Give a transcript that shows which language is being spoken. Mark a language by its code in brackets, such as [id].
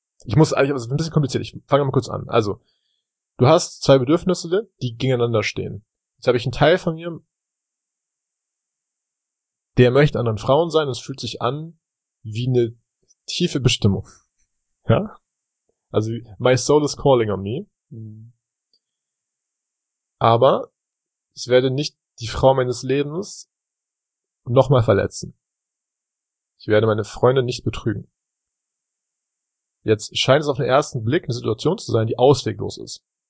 [de] Also ein bisschen kompliziert, ich fange mal kurz an. Also, du hast 2 Bedürfnisse, die gegeneinander stehen. Jetzt habe ich einen Teil von mir, der möchte anderen Frauen sein, es fühlt sich an wie eine tiefe Bestimmung. Ja? [en] Also, my soul is calling on me. Mhm. [de] Aber ich werde nicht die Frau meines Lebens nochmal verletzen. Ich werde meine Freundin nicht betrügen. Jetzt scheint es auf den ersten Blick eine Situation zu sein, die ausweglos ist.